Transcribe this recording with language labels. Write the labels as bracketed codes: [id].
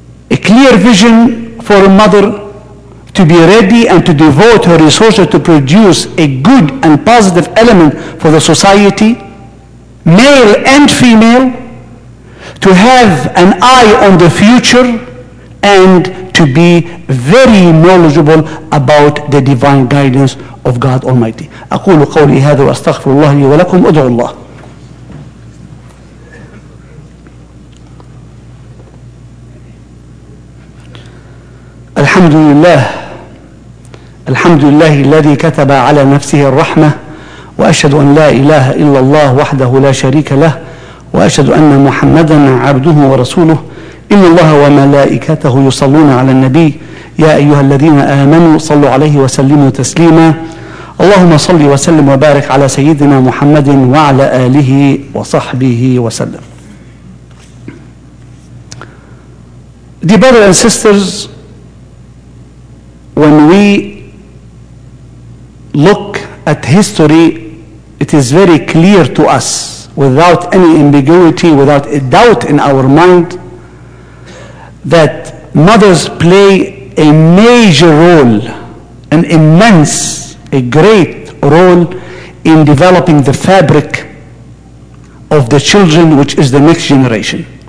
[en] a clear vision for a mother to be ready and to devote her resources to produce a good and positive element for the society, male and female, to have an eye on the future, and to be very knowledgeable about the divine guidance of God Almighty. [ar] أقول قولي هذا وأستغفر الله لي ولكم أدعو الله. الحمد لله الحمد لله الذي كتب على نفسه الرحمة وأشهد أن لا إله إلا الله وحده لا شريك له وأشهد أن محمدا عبده ورسوله إن الله وملائكته يصلون على النبي يا أيها الذين آمنوا صلوا عليه وسلموا تسليما اللهم صل وسلم وبارك على سيدنا محمد وعلى آله وصحبه وسلم. [en] Dear brothers and sisters, when we look at history it is very clear to us, without any ambiguity, without a doubt in our mind, that mothers play a major role, an immense, a great role in developing the fabric of the children, which is the next generation.